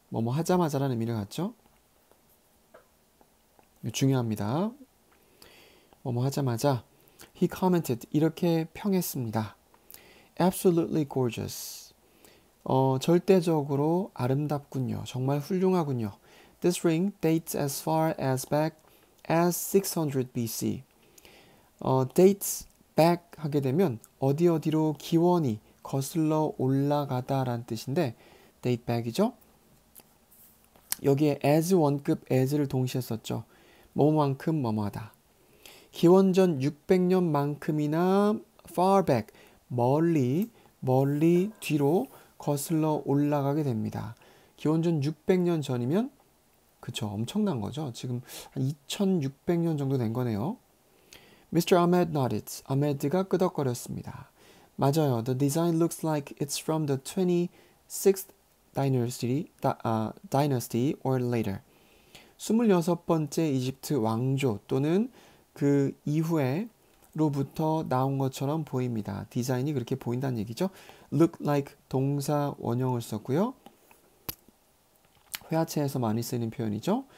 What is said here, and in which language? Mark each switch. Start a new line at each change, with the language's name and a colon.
Korean: 뭐뭐 하자마자라는 의미를 갖죠? 중요합니다. 뭐뭐 하자마자
English: he commented
Korean: 이렇게 평했습니다.
English: Absolutely gorgeous.
Korean: 절대적으로 아름답군요. 정말 훌륭하군요.
English: This ring dates as far as back as 600 BC.
Korean: Dates back 하게 되면 어디 어디로 기원이 거슬러 올라가다라는 뜻인데 date back이죠. 여기에 as 원급 as를 동시에 썼죠. 뭐뭐만큼 뭐뭐하다. 기원전 600년만큼이나
English: far back
Korean: 멀리 멀리 뒤로 거슬러 올라가게 됩니다. 기원전 600년 전이면 그쵸 엄청난 거죠. 지금 한 2600년 정도 된 거네요.
English: Mr. Ahmed nodded.
Korean: Ahmed가 끄덕거렸습니다. 맞아요.
English: The design looks like it's from the 26th dynasty, dynasty or later.
Korean: 26번째 이집트 왕조 또는 그 이후에로부터 나온 것처럼 보입니다. 디자인이 그렇게 보인다는 얘기죠. Look like 동사 원형을 썼고요. 회화체에서 많이 쓰이는 표현이죠.